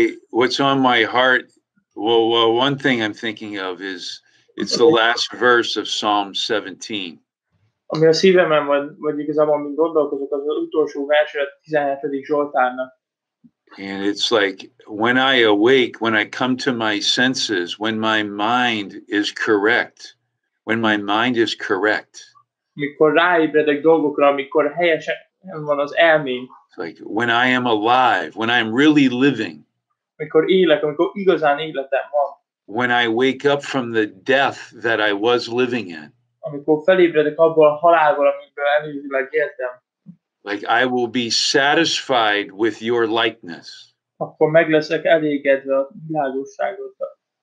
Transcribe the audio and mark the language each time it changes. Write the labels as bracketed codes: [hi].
[en] What's on my heart, well, one thing I'm thinking of is, it's the last verse of Psalm 17. [hu] Ami a szívemben van, vagy igazából, amit gondolkozok, az utolsó verse a 17. Zsoltárnak. [en] And it's like, when I awake, when I come to my senses, when my mind is correct, [hu] Mikor ráébredek dolgokra, amikor helyesen van az elmém. [en] Like when I am alive, when I'm really living. [hu] Amikor élek, amikor igazán életem van. [en] When I wake up from the death that I was living in. [hu] Amikor felébredek abból a halálból, amiből előzőleg éltem. [en] Like I will be satisfied with your likeness. [hu] Akkor meg leszek elégedve a világosságoddal.